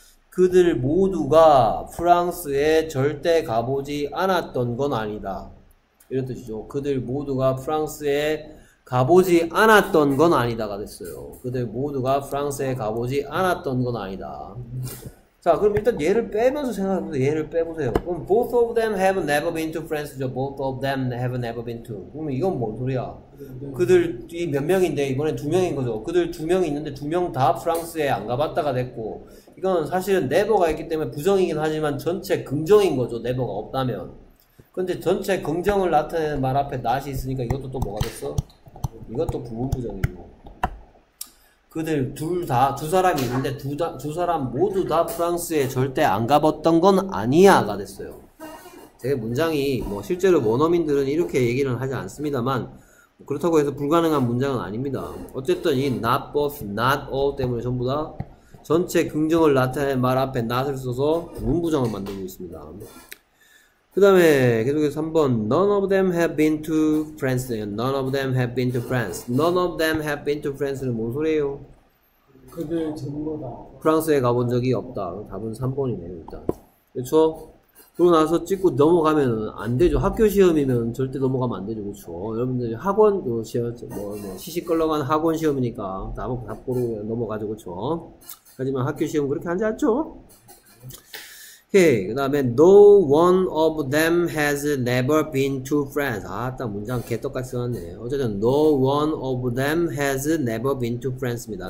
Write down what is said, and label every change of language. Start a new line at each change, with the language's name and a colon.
Korean: 그들 모두가 프랑스에 절대 가보지 않았던 건 아니다. 이런 뜻이죠. 그들 모두가 프랑스에 가보지 않았던 건 아니다가 됐어요. 그들 모두가 프랑스에 가보지 않았던 건 아니다. 자, 그럼 일단 얘를 빼면서 생각해보세요. 얘를 빼보세요. 그럼
English: both of them have never been to France
Korean: 죠.
English: both of them have never been to.
Korean: 그럼 이건 뭔 소리야? 그들이 몇 명인데 이번엔 두 명인 거죠. 그들 두 명이 있는데 두명다 프랑스에 안 가봤다가 됐고, 이건 사실은 never가 있기 때문에 부정이긴 하지만 전체 긍정인 거죠. never가 없다면. 근데 전체 긍정을 나타내는 말 앞에 not이 있으니까 이것도 또 뭐가 됐어? 이것도 부분부정이고. 그들 둘 다, 두 사람이 있는데 두, 다, 두 사람 모두 다 프랑스에 절대 안 가봤던 건 아니야가 됐어요. 되게 문장이, 뭐, 실제로 원어민들은 이렇게 얘기는 하지 않습니다만, 그렇다고 해서 불가능한 문장은 아닙니다. 어쨌든 이 not both, not all 때문에 전부 다 전체 긍정을 나타낸 말 앞에 not을 써서 부분부정을 만들고 있습니다. 그 다음에 계속해서 3번
English: None of them have been to France. None of them have been to France. None of them have been to France
Korean: 는 뭔 소리예요? 그들 전부 다 프랑스에 가본 적이 없다. 답은 3번이네요 일단. 그렇죠? 그러고 나서 찍고 넘어가면 안 되죠. 학교 시험이면 절대 넘어가면 안 되죠. 그렇죠? 여러분들 학원 시험 뭐 시시 껄렁한 학원 시험이니까 답은 답고로 넘어가죠. 그렇죠? 하지만 학교 시험 그렇게 하지 않죠? 오케이. 그 다음에
English: No one of them has never been to France.
Korean: 아, 딱 문장 개떡같이 써놨네. 어쨌든
English: No one of them has never been to France
Korean: 입니다.